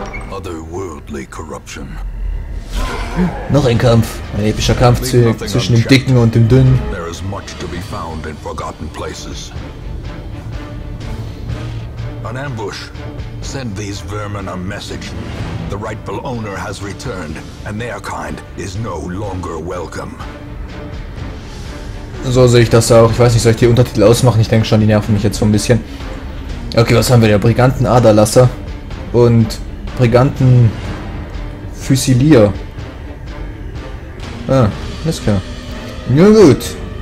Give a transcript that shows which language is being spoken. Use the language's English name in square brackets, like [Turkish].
[English] Otherworldly corruption. [German] Noch ein Kampf, ein epischer Kampf zwischen dem Dicken und dem Dünnen. [English] There is much to be found in forgotten places. An ambush. Send these vermin a message. The rightful owner has returned, and their kind is no longer welcome. [German] So sehe ich das auch. Ich weiß nicht, soll ich die Untertitel ausmachen? Ich denke schon, die nerven mich jetzt so ein bisschen. Okay, was haben wir hier? Brigantenaderlasser und Briganten Füsilier. Ah, alles klar. Nun gut.